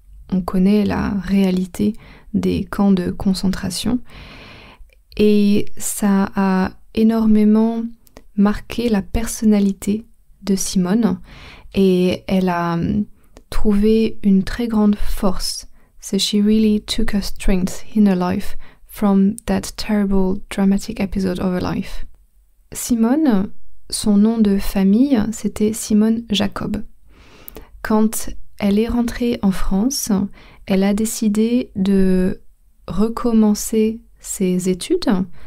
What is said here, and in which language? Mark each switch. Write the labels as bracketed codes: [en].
[fr] On connaît la réalité des camps de concentration. Et ça a énormément marqué la personnalité de Simone. Et elle a trouvé une très grande force. [en] So she really took her strength in her life from that terrible dramatic episode of her life. [fr] Simone, son nom de famille, c'était Simone Jacob. Quand elle est rentrée en France, elle a décidé de recommencer ses études.